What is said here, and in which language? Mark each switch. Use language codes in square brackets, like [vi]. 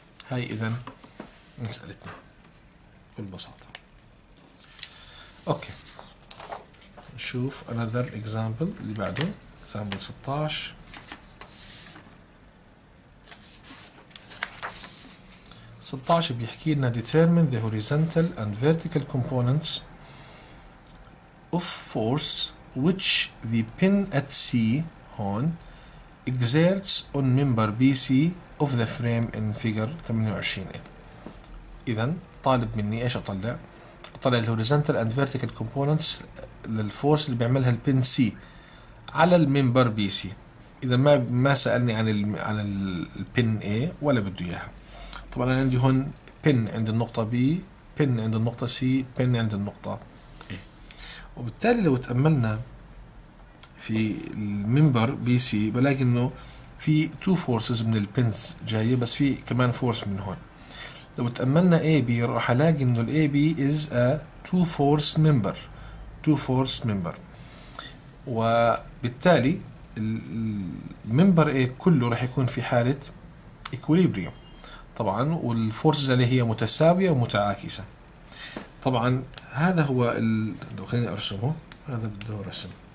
[ar] هاي إذن مسألتنا بكل بساطة. أوكي نشوف [en] another example [ar] اللي بعده [en] example 16 [ar] بيحكي لنا [en] determine the horizontal and vertical components of force which the pin at C هون exerts on member BC of the frame in figure 28A. [ar] إذن طالب مني إيش أطلع؟ أطلع [en] the horizontal and vertical components [ar] للفورس اللي بيعملها البن C على الممبر BC. إذا ما سألني عن البن A ولا بده إياها. طبعا انا عندي هون بن عند النقطة B، بن عند النقطة C، بن عند النقطة A. وبالتالي لو تأملنا في الممبر BC بلاقي انه في two forces من البنز جاية بس في كمان force من هون. لو تأملنا AB راح الاقي انه الAB [en] is a two force member، two force member. [ar] وبالتالي الممبر A كله راح يكون في حالة equilibrium طبعا، والفورسز اللي هي متساوية ومتعاكسة. طبعا طبعا هذا هو خليني ارسمه، هذا بده رسم.